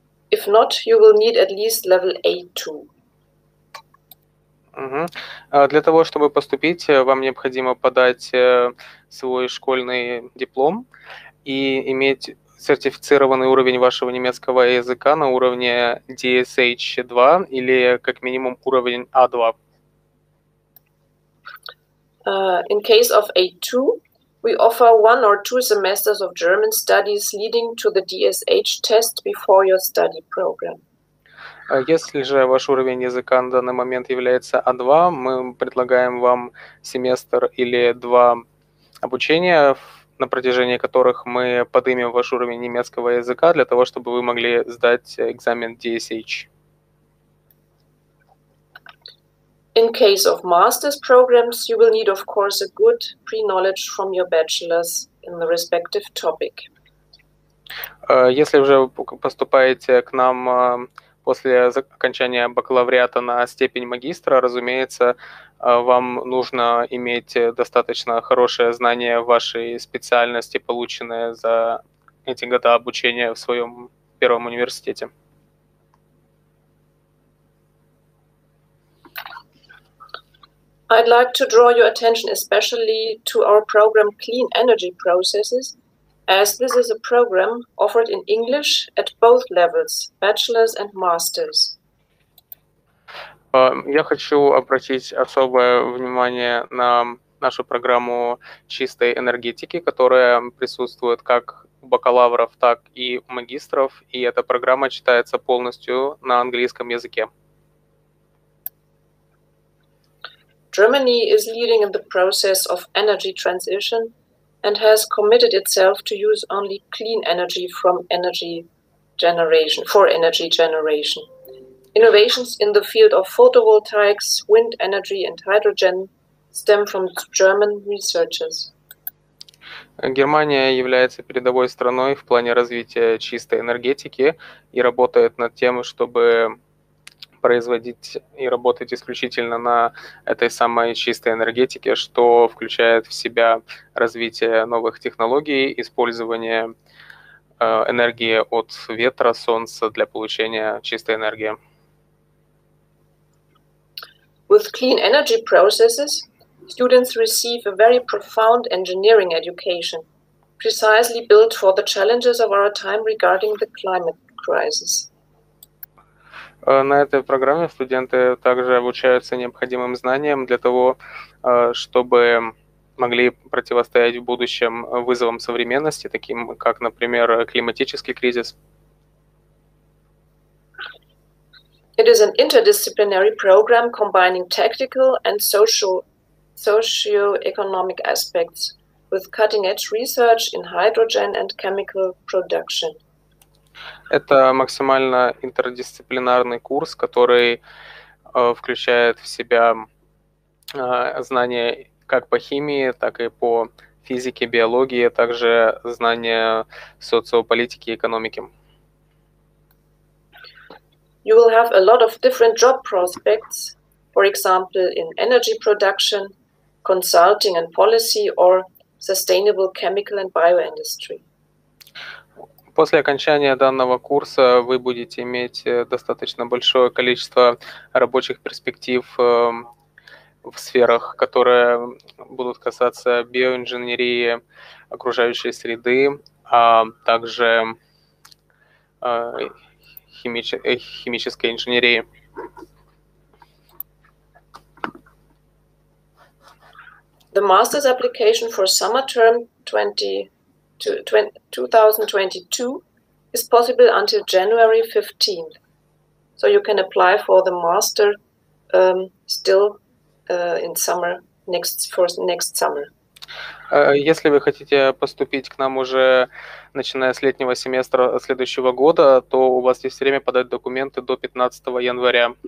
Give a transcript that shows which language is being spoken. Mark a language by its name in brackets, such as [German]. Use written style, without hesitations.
[English] If not, you will need at least level A2. [Russian] Для того, чтобы поступить, вам необходимо подать свой школьный диплом и иметь сертифицированный уровень вашего немецкого языка на уровне DSH2 или как минимум уровень A2. [English] In case of A2, we offer one or two semesters of German studies leading to the DSH test before your study program. [Russian] Если же ваш уровень языка на данный момент является A2, мы предлагаем вам семестр или два обучения, на протяжении которых мы поднимем ваш уровень немецкого языка для того, чтобы вы могли сдать экзамен DSH. [English] In case of master's programs, you will need, of course, a good pre-knowledge from your bachelor's in the respective topic. [Russian] Если уже поступаете к нам после окончания бакалавриата на степень магистра, разумеется, вам нужно иметь достаточно хорошее знание вашей специальности, полученное за эти года обучения в своем первом университете. [English] I'd like to draw your attention especially to our program Clean Energy Processes, as this is a program offered in English at both levels, bachelor's and master's. [Russian] Я хочу обратить особое внимание на нашу программу чистой энергетики, которая присутствует как у бакалавров, так и у магистров, и эта программа читается полностью на английском языке. [English] Germany is leading in the process of energy transition and has committed itself to use only clean energy from energy generation for energy generation. Innovations in the field of photovoltaics, wind energy and hydrogen stem from German researchers. [Russian] Германия является передовой страной в плане развития чистой энергетики и работает над тем, чтобы производить и работать исключительно на этой самой чистой энергетике, что включает в себя развитие новых технологий, использование энергии от ветра, солнца для получения чистой энергии. [English] With clean energy processes, students receive a very profound engineering education, precisely built for the challenges of our time regarding the climate crisis. [Russian] На этой программе студенты также обучаются необходимым знаниям для того, чтобы могли противостоять в будущем вызовам современности, таким как, например, климатический кризис. [English] It is an interdisciplinary program combining technical and socio-economic aspects with cutting-edge research in hydrogen and chemical production. [Russian] Это максимально интердисциплинарный курс, который включает в себя знания как по химии, так и по физике, биологии, также знания социополитики и экономики. [English] You will have a lot of different job prospects, for example, in energy production, consulting and policy, or sustainable chemical and bioindustry. [Russian] После окончания данного курса вы будете иметь достаточно большое количество рабочих перспектив в сферах, которые будут касаться биоинженерии, окружающей среды, а также химической инженерии. [English] The master's application for summer term 2022 is possible until January 15th. So you can apply for the master still in summer next summer. [Russian] Если вы хотите поступить к нам уже начиная с летнего семестра следующего года, то у вас есть время подать документы до 15 января.